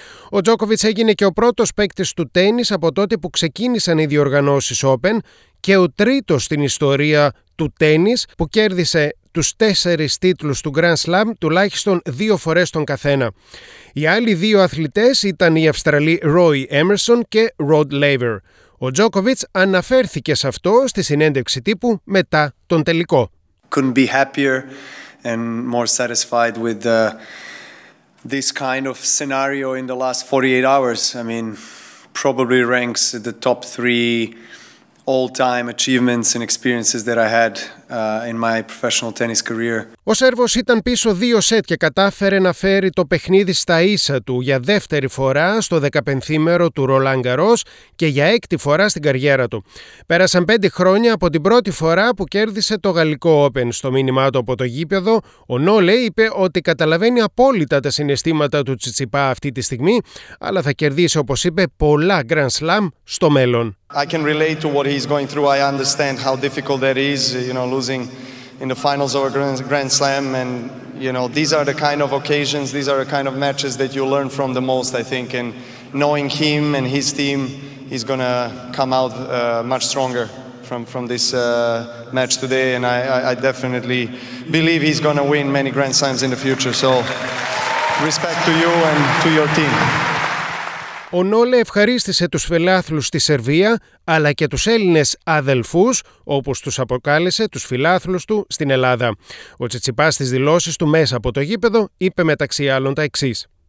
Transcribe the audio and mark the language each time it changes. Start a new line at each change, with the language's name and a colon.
Greek: Ο Τζόκοβιτς έγινε και ο πρώτος παίκτης του τένις από τότε που ξεκίνησαν οι διοργανώσεις Open και ο τρίτος στην ιστορία του τένις που κέρδισε τους 4 τίτλους του Grand Slam τουλάχιστον 2 φορές τον καθένα. Οι άλλοι 2 αθλητές ήταν οι Αυστραλοί Roy Emerson και Rod Laver. Ο Τζόκοβιτς αναφέρθηκε σε αυτό στη συνέντευξη τύπου μετά τον τελικό.
English: Couldn't be happier and more satisfied with this kind of scenario in the last 48 hours. I mean, probably ranks the top 3 all-time achievements and experiences that I had in my professional tennis career.
Greek: Ο Σέρβος ήταν πίσω 2 σετ και κατάφερε να φέρει το παιχνίδι στα ίσα του για δεύτερη φορά στο 15ήμερο του Ρολάν Γκαρός και για 6η φορά στην καριέρα του. Πέρασαν 5 χρόνια από την πρώτη φορά που κέρδισε το Γαλλικό Open. Στο μήνυμά του από το γήπεδο, ο Νόλε είπε ότι καταλαβαίνει απόλυτα τα συναισθήματα του Τσιτσιπά αυτή τη στιγμή, αλλά θα κερδίσει, όπως είπε, πολλά Grand Slam στο μέλλον.
English: I can relate to what he's going through. I understand how difficult that is, you know, losing in the finals of a Grand Slam. And, you know, these are the kind of occasions, these are the kind of matches that you learn from the most, I think. And knowing him and his team, he's going to come out much stronger from this match today. And I definitely believe he's going to win many Grand Slams in the future. So respect to you and to your team.
Greek: Ο Νόλε ευχαρίστησε τους φιλάθλους στη Σερβία, αλλά και τους Έλληνες αδελφούς, όπως τους αποκάλεσε τους φιλάθλους του στην Ελλάδα. Ο Τσιτσιπάς στις δηλώσεις του μέσα από το γήπεδο είπε μεταξύ άλλων τα εξής.